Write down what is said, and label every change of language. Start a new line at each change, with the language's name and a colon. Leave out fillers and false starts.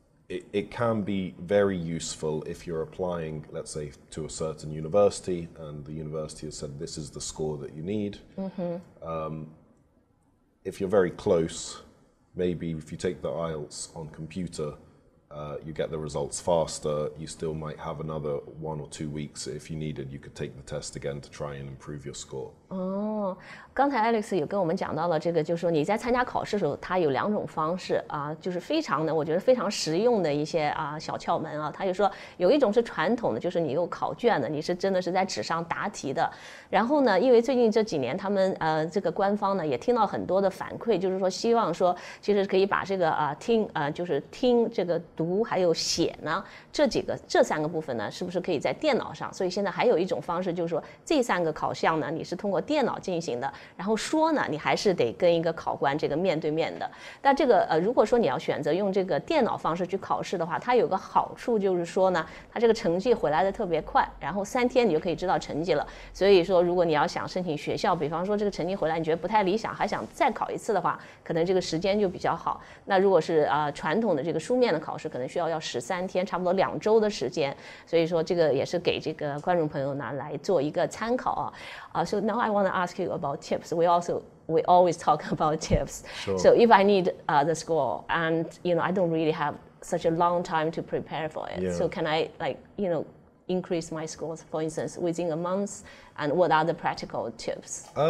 English: it can be very useful if you're applying, let's say, to a certain university, and the university has said this is the score that you need. Mm-hmm. If you're very close, maybe if you take the IELTS on computer, you get the results faster. You still might have another 1 or 2 weeks. If you needed, you could take the test again to try and improve your score.
Chinese: 哦，刚才 Alex 有跟我们讲到了这个，就是说你在参加考试的时候，它有两种方式啊，就是非常的，我觉得非常实用的一些啊小窍门啊。他就说有一种是传统的，就是你有考卷的，你是真的是在纸上答题的。然后呢，因为最近这几年他们这个官方呢也听到很多的反馈，就是说希望说其实可以把这个啊听就是听这个。读还有写呢，这三个部分呢，是不是可以在电脑上？所以现在还有一种方式，就是说这三个考项呢，你是通过电脑进行的，然后说呢，你还是得跟一个考官这个面对面的。但这个如果说你要选择用这个电脑方式去考试的话，它有个好处就是说呢，它这个成绩回来的特别快，然后3天你就可以知道成绩了。所以说，如果你要想申请学校，比方说这个成绩回来你觉得不太理想，还想再考一次的话，可能这个时间就比较好。那如果是传统的这个书面的考试，可能需要13天，差不多2周的时间，所以说这个也是给这个观众朋友呢来做一个参考啊。
English: So now I want to ask you about tips. We always talk about tips. Sure. So if I need the score, and you know, I don't really have such a long time to prepare for it. Yeah. So can I like you know increase my scores, for instance, within a month? And what are the practical tips?